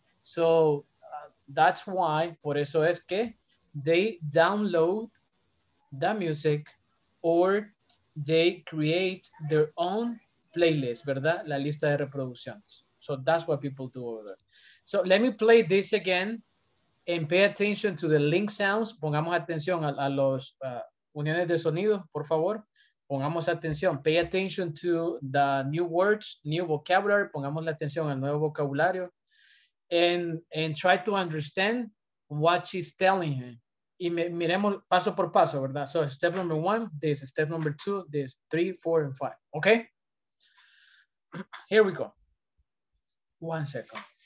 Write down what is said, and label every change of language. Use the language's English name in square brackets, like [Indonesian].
[English] So that's why, [Spanish] por eso es que [English] they download the music or they create their own playlist, [Spanish] ¿verdad? La lista de reproducciones. [English] So that's what people do over there. So let me play this again and pay attention to the link sounds. [Spanish] Pongamos atención a los uniones de sonido, por favor. Pongamos atención. [English] Pay attention to the new words, new vocabulary. [Spanish] Pongamos la atención al nuevo vocabulario. [English] And try to understand what she's telling him. [Spanish] Y miremos paso por paso, ¿verdad? [English] So step number one, this. Step number two, this. 3, 4, and 5. Okay? Here we go. One second.